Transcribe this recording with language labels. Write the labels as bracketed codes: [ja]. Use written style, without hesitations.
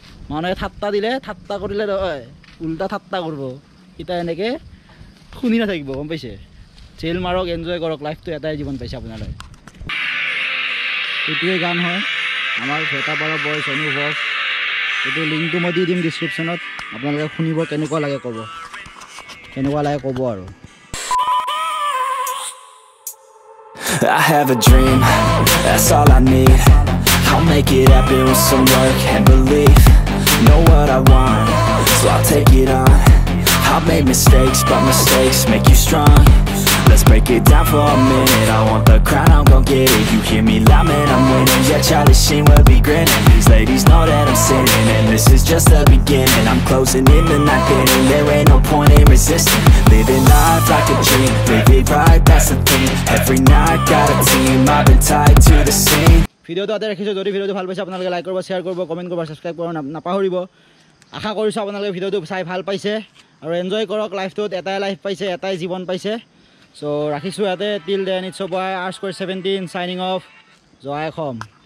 [as] মানুহে ঠাট্টা দিলে ঠাট্টা কৰিলে উল্টা ঠাট্টা কৰিব এতিয়া এনেকৈ শুনি নাথাকিব গম পাইছে জেল মাৰক এনজয় কৰক লাইফটো এটাই জীৱন পাইছে আপোনালোকে এইটোৱে গান হয় আমাৰ ভেটাপাৰা বয় চনু ঘোষ এইটো লিংকটো মই দি দিম ডিছক্ৰিপশ্যনত আপোনালোকে শুনিব কেনেকুৱা লাগে ক'ব কেনেকুৱা লাগে ক'ব আৰু [en] I have a dream, that's all I need. I'll make it happen with some work and belief. Know what I want, so I'll take it on. I've made mistakes, but mistakes make you strong. Let's break it down for a minute. I want the crown, I'm gon' get it. You hear me loud, man, I'm winning. Yeah, Charlie Sheen will be grinning. These ladies know that I'm sinning, and this is just the beginning. I'm closing in the night inning. There ain't no point in resisting. Living life like a dream. Live it right, that's the thing. Every night, got a team. I've been tied to the scene. [as] ভিডিঅ'টো ইয়াতে ৰাখিছোঁ যদি ভিডিঅ'টো ভাল পাইছে আপোনালোকে like কৰিব share কৰিব কমেণ্ট কৰিব ছাবস্ক্ৰাইব কৰিব নাপাহৰিব আশা কৰিছোঁ আপোনালোকে ভিডিঅ'টো চাই ভাল পাইছে আৰু এনজয় কৰক লাইফটোত এটাই লাইফ পাইছে এটাই জীৱন পাইছে চ' ৰাখিছোঁ ইয়াতে till then it's O boy R17 shining of joy Assam